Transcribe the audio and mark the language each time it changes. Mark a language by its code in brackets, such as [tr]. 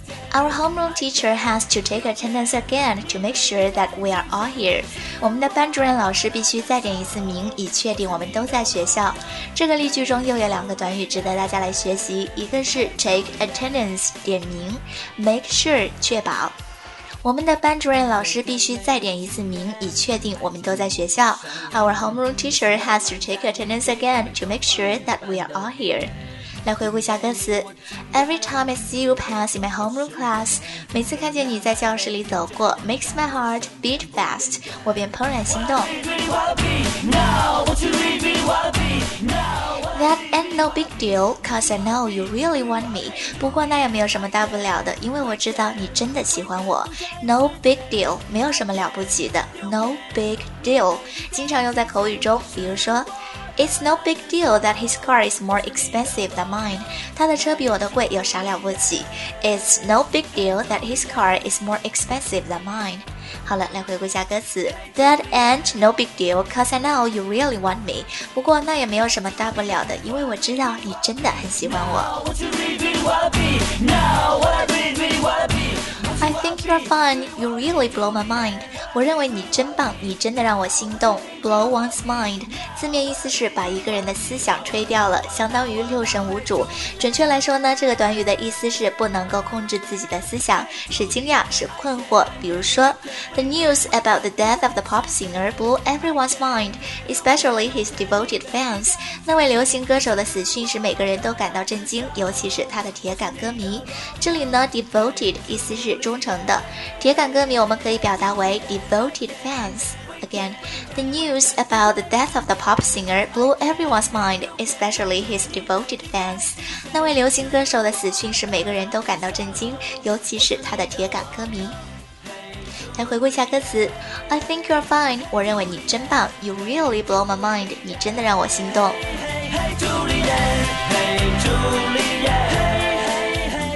[en] Our homeroom teacher has to take attendance again to make sure that we are all here. [zh] 我们的班主任老师必须再点一次名，以确定我们都在学校。这个例句中又有两个短语值得大家来学习，一个是 take attendance 点名， make sure 确保。我们的班主任老师必须再点一次名，以确定我们都在学校。 [en] Our homeroom teacher has to take attendance again to make sure that we are all here. 来回顾一下歌词 Every time I see you pass in my homeroom class [zh] 每次看见你在教室里走过 [en] Makes my heart beat fast [zh] 我便怦然心动 [en] That ain't no big deal Cause I know you really want me [zh] 不过那也没有什么大不了的因为我知道你真的喜欢我 [en] No big deal [zh] 没有什么了不起的 [en] No big deal [zh] 经常用在口语中比如说 [en] It's no big deal that his car is more expensive than mine. [zh] 他的车比我的贵有啥了不起 [en] It's no big deal that his car is more expensive than mine. [zh] 好了来回顾一下歌词 [en] That ain't no big deal cause I know you really want me. [zh] 不过那也没有什么大不了的因为我知道你真的很喜欢我。 [en] I think you're fine, you really blow my mind. [zh] 我认为你真棒，你真的让我心动。Blow one's mind, 字面意思是把一个人的思想吹掉了，相当于六神无主。准确来说呢，这个短语的意思是不能够控制自己的思想，是惊讶，是困惑。比如说 [en] ,The news about the death of the pop singer blew everyone's mind, especially his devoted fans. [zh] 那位流行歌手的死讯使每个人都感到震惊，尤其是他的铁杆歌迷。这里呢 ,devoted, 意思是忠诚的。铁杆歌迷我们可以表达为 devoted fans。 [en] Again, the news about the death of the pop singer blew everyone's mind, especially his devoted fans. [zh] 那位流行歌手的死讯使每个人都感到震惊，尤其是他的铁杆歌迷。来回顾一下歌词 [en] I think you're fine, [zh] 我认为你真棒 [en] You really blow my mind, [zh] 你真的让我心动 [en] hey, hey, Juliet, hey, Juliet.